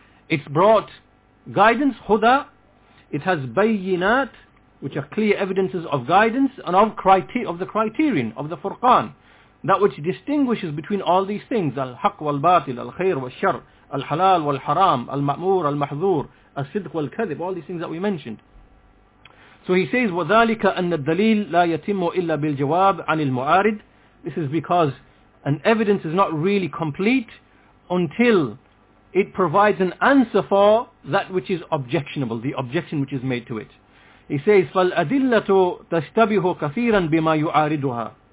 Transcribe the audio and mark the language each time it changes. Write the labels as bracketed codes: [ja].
[en] It's brought guidance, huda. It has bayyinat, which are clear evidences of guidance, and of the criterion, of the Furqan. That which distinguishes between all these things, al-haq wal-batil, al-khayr wal-shar, al-halal wal-haram, al-ma'mur, al-mahzur, al-sidq wal-kadhib, all these things that we mentioned. So he says, [ar] وَذَلِكَ أَنَّ الدَّلِيلَ لَا يَتِمُّ إِلَّا بِالْجَوَابِ عَنِ الْمُعَارِدِ. [en] This is because an evidence is not really complete until it provides an answer for that which is objectionable, the objection which is made to it. He says, [ar] فَالْأَدِلَّةُ تَشْتَبِهُ كَثِيرًا بِمَا يُعَارِدُهَا.